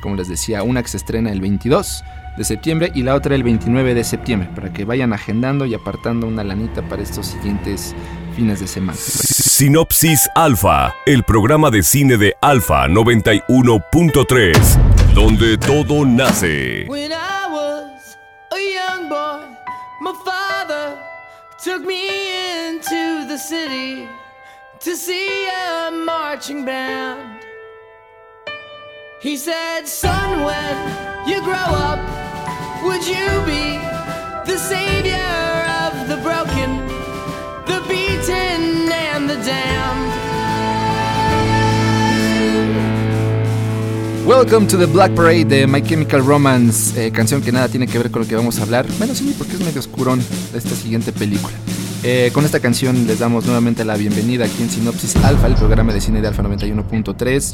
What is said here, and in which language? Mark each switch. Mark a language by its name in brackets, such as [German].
[Spanish] Como les decía, una que se estrena el 22 de septiembre y la otra el 29 de septiembre, para que vayan agendando y apartando una lanita para estos siguientes fines de semana. Sinopsis Alfa, el programa de cine de Alfa 91.3, donde todo nace. [English] When I was a young boy, my father took me into the city to see a marching band. He said, son, when you grow up, would you be the savior of the broken, the beaten and the damned? [Spanish] Welcome to the Black Parade de My Chemical Romance, canción que nada tiene que ver con lo que vamos a hablar, menos sí, porque es medio oscurón de esta siguiente película. Con esta canción les damos nuevamente la bienvenida aquí en Sinopsis Alfa, el programa de cine de Alfa 91.3.